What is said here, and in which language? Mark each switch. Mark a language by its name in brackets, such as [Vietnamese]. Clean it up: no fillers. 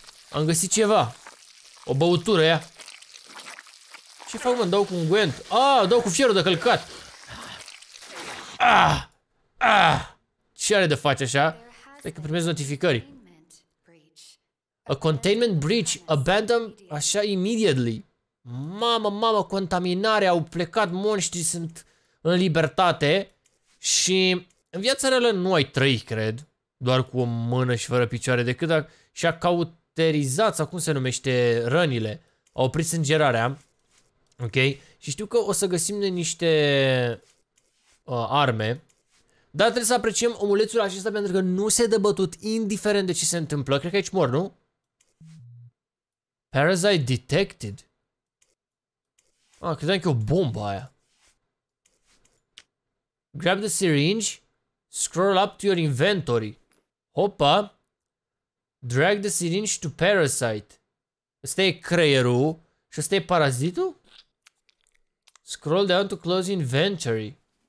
[Romanian] Am găsit ceva. O băutură, ia. Ce fac, mă? Dau cu un guent. Ah, dau cu fierul de călcat. Ah, ah. Ce are de face așa? Stai că primez notificări. [English] A containment breach. Abandon așa immediately. [Romanian] Mamă, contaminare. Au plecat monștrii, sunt în libertate. Și în viața reală nu ai trăi, cred. Doar cu o mână și fără picioare. Decât dacă și-a cauterizat, sau cum se numește, rănile. A oprit sângerarea. Ok, și știu că o să găsim de niște arme, dar trebuie să apreciem omulețul acesta pentru că nu se dă bătut indiferent de ce se întâmplă. Cred că aici mor, nu? [English] Parasite detected. [Romanian] Ah, credeam că e o bombă aia. [English] Grab the syringe, scroll up to your inventory. Hopa, drag the syringe to parasite. [Romanian] Ăsta e creierul și ăsta e parazitul? [English] Scroll down to close inventory.